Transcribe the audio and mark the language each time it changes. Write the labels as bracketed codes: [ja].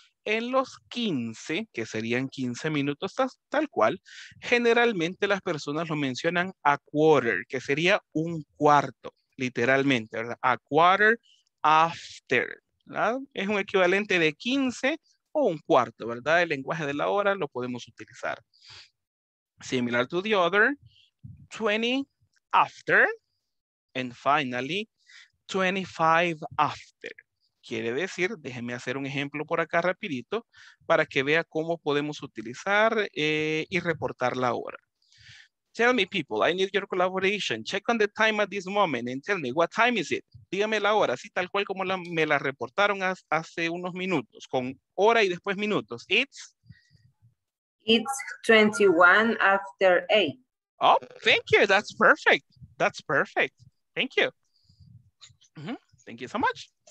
[es] En los 15, que serían 15 minutos tal cual, generalmente las personas lo mencionan a quarter, que sería un cuarto, literalmente, ¿verdad? A quarter after, ¿verdad? Es un equivalente de 15 o un cuarto, ¿verdad? El lenguaje de la hora lo podemos utilizar. [en] Similar to the other, 20 after, and finally, 25 after. [es] Quiere decir, déjeme hacer un ejemplo por acá rapidito, para que vea cómo podemos utilizar y reportar la hora. [en] Tell me people, I need your collaboration. Check on the time at this moment and tell me what time is it. [es] Dígame la hora, así tal cual como me la reportaron hace unos minutos, con hora y después minutos. [en] It's 21 after 8. Oh, thank you. That's perfect. That's perfect. Thank you. Mm-hmm. Thank you so much.